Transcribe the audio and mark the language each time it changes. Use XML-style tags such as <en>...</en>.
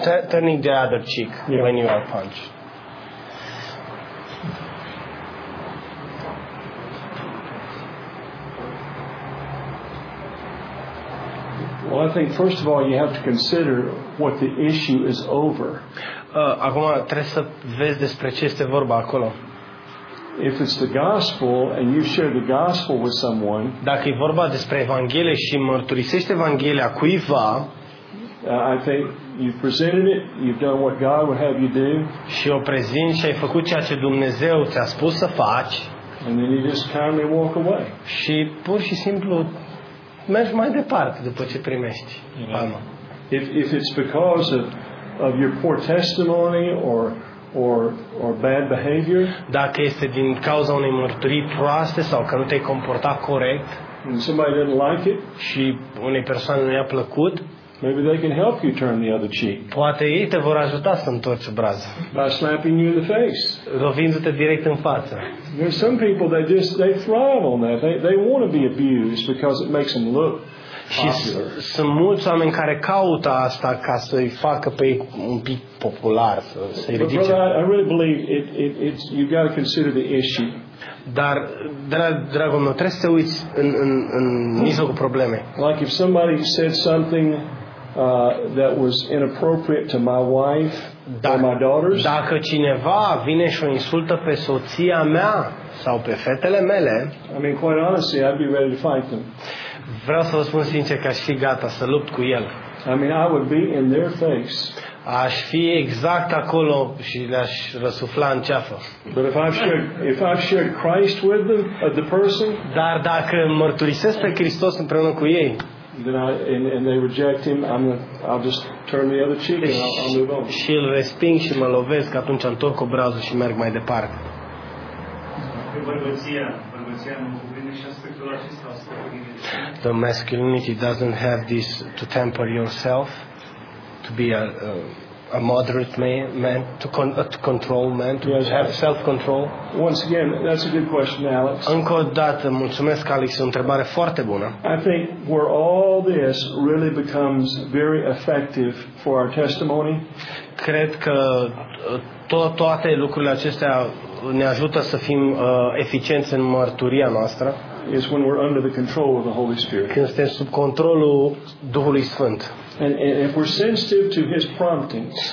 <en>Turning the other cheek, yeah, when you are punched. Well, I think first of all you have to consider what the issue is over.</en> <ro>Acum trebuie să vezi despre ce este vorba acolo.</ro> <en>If it's the gospel and you share the gospel with someone,</en> <ro>dacă e vorba despre evanghelie și mărturisești evanghelia cuiva,</ro> <en>I think you've presented it, you've done what God would have you do.</en> <ro>Și o prezinți și ai făcut ceea ce Dumnezeu ți-a spus să faci.</ro> <en>And then you just kindly walk away.</en> <ro>Și pur și simplu mergi mai departe după ce primești palma.</ro> <en>If it's because of your poor testimony or bad behavior,</en> <ro>dacă este din cauza unei mărturii proaste sau că nu te-ai comportat corect,</ro> <en>and somebody didn't like it,</en> <ro>și unei persoane nu i-a plăcut,</ro> <en>maybe they can help you turn the other cheek.</en> <ro>Poate ei te vor ajuta să întorci brazul.</ro> <en>By slapping you in the face.</en> <ro>Rovindu-te direct în față.</ro> <en>There are some people that just they thrive on that. They want to be abused because it makes them look.</en> <ro>Și sunt mulți oameni care caută asta ca să îi facă pe ei un pic popular, să îi ridice.</ro> <en>I really believe it's you got to consider the issue.</en> <ro>Dar dragul meu, trebuie să te uiți în mijlocul problemei.</ro> <en>Like if somebody said something that was inappropriate to my wife or my daughters.</en> <ro>Dacă cineva vine și o insultă pe soția mea sau pe fetele mele,</ro> <en>I mean, quite honestly, I'd be ready to fight them.</en> <ro>Vreau să vă spun sincer că aș fi gata să lupt cu el.</ro> <en>I mean, I would be in their face.</en> <ro>Aș fi exact acolo și le-aș răsufla în ceafă.</ro> <en>But if I've shared Christ with them, the person,</en> <ro>dar dacă mărturisesc pe Hristos împreună cu ei,</ro> <en>then and they reject him, I'll just turn the other cheek and I'll move on.</en> <ro>Și îl resping și mă lovesc, atunci întorc obrazul și merg mai departe.</ro> <en>The masculinity doesn't have this to temper yourself, to be a moderate man, to control man, to have self-control. Once again, that's a good question, Alex.</en> <ro>Încă o dată, mulțumesc, Alex, o întrebare foarte bună.</ro> <en>I think where all this really becomes very effective for our testimony.</en> <ro>Cred că toate lucrurile acestea ne ajută să fim eficienți în mărturia noastră.</ro> <en>Is when we're under the control of the Holy Spirit.</en> <ro>Când suntem sub controlul Duhului Sfânt.</ro> <en>And if we're sensitive to his promptings.</en>